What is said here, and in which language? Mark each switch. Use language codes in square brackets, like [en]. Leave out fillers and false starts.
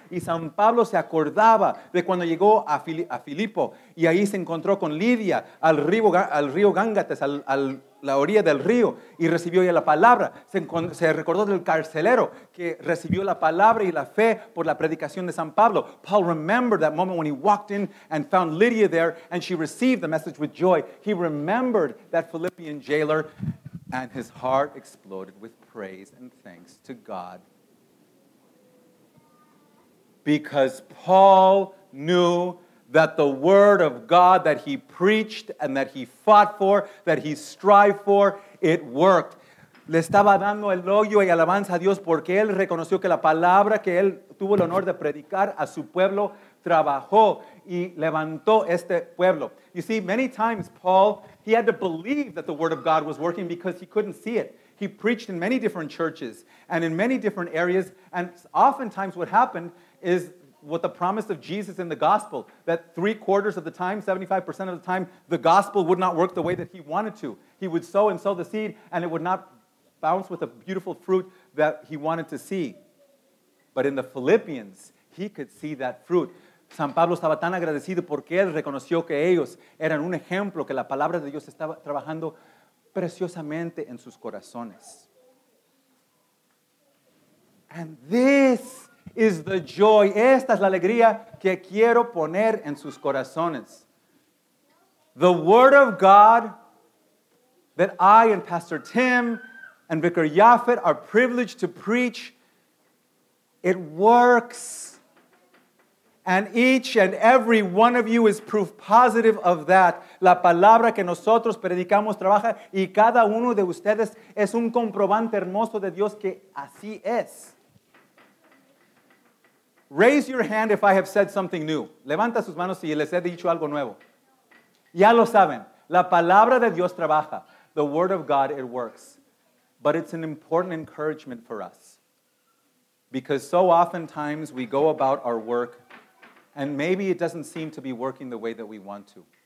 [es] Y San Pablo se acordaba de cuando llegó a Filipo y ahí se encontró con Lidia al río Gángates, la orilla del río, y recibió ya la palabra. Se recordó del carcelero que recibió la palabra y la fe por la predicación de San Pablo. [en] Paul remembered that moment when he walked in and found Lydia there and she received the message with joy. He remembered that Philippian jailer and his heart exploded with praise and thanks to God. Because Paul knew that the word of God that he preached and that he fought for, that he strived for, it worked. [es] Le estaba dando elogio y alabanza a Dios porque él reconoció que la palabra que él tuvo el honor de predicar a su pueblo trabajó y levantó este pueblo. [en] You see, many times Paul, he had to believe that the word of God was working because he couldn't see it. He preached in many different churches and in many different areas, and oftentimes what happened is with the promise of Jesus in the gospel, that 3/4 of the time, 75% of the time, the gospel would not work the way that he wanted to. He would sow and sow the seed, and it would not bounce with a beautiful fruit that he wanted to see. But in the Philippians, he could see that fruit. [es] San Pablo estaba tan agradecido porque él reconoció que ellos eran un ejemplo, que la palabra de Dios estaba trabajando preciosamente en sus corazones. [en] And this is the joy. [es] Esta es la alegría que quiero poner en sus corazones. [en] The word of God that I and Pastor Tim and Vicar Yafet are privileged to preach, it works. And each and every one of you is proof positive of that. [es] La palabra que nosotros predicamos trabaja y cada uno de ustedes es un comprobante hermoso de Dios que así es. [en] Raise your hand if I have said something new. [es] Levanta sus manos si les he dicho algo nuevo. Ya lo saben. La palabra de Dios trabaja. [en] The word of God, it works. But it's an important encouragement for us. Because so oftentimes we go about our work and maybe it doesn't seem to be working the way that we want to.